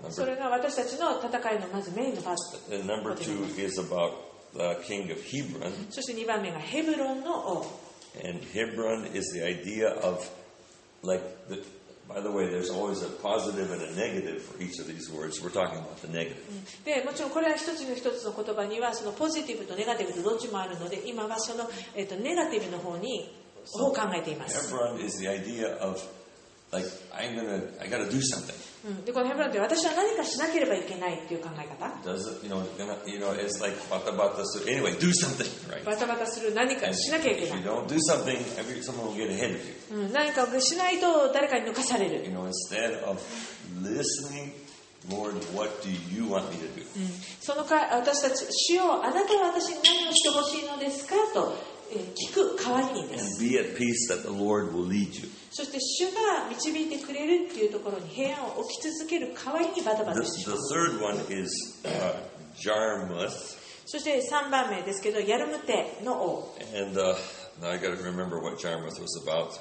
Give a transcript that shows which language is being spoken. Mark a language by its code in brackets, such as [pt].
[ja] それが私たちの戦いのまずメインのパート。 [en] And number two is about the king of Hebron. [ja] そして2番目がヘブロンの王。 [en] And Hebron is the idea of, like, the, by the way, there's always a positive and a negative for each of these words. We're talking about the negative. [ja] で、もちろんこれは一つの一つの言葉にはそのポジティブとネガティブとどっちもあるので、今はそのネガティブの方にを考えています。 [en] Hebron is the idea of, like, I gotta do something. [ja] で、このヘブロンって私は何かしなければいけないっていう考え方。 [en] Does it, you know, it's like [ja] バタバタする。 [en] Anyway, do something, right? [ja] バタバタする何かしなきゃいけない。 [en] If you don't do something, someone will get ahead of you. [ja] 何かをしないと誰かに抜かされる。 [en] You know, instead of listening, Lord, what do you want me to do? [ja] そのか私たち主よあなたは私に何をしてほしいのですかと。聞く代わりにです。 [en] And be at peace that the Lord will lead you. [ja] そして主が導いてくれるっていうところに平安を置き続ける代わりにバタバタします。 [en] The third one is Jarmuth. [ja] そして3番目ですけど、ヤルムテの王。 [en] And now I got to remember what Jarmuth was about.